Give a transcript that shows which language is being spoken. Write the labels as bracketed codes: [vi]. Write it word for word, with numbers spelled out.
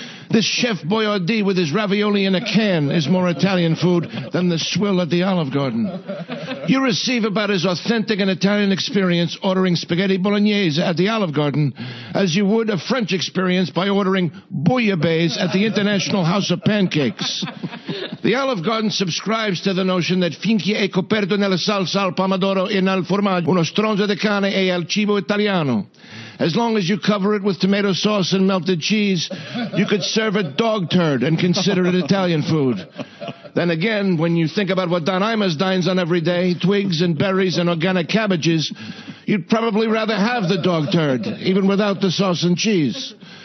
[en] This Chef Boyardee with his ravioli in a can is more Italian food than the swill at the Olive Garden. You receive about as authentic an Italian experience ordering spaghetti bolognese at the Olive Garden as you would a French experience by ordering bouillabaisse at the International House of Pancakes. The Olive Garden subscribes to the notion that [it] finché è coperto nella salsa al pomodoro e nel formaggio, uno stronzo di cane è al cibo italiano. [en] As long as you cover it with tomato sauce and melted cheese, you could serve a dog turd and consider it Italian food. Then again, when you think about what Don Imus dines on every day, twigs and berries and organic cabbages, you'd probably rather have the dog turd, even without the sauce and cheese.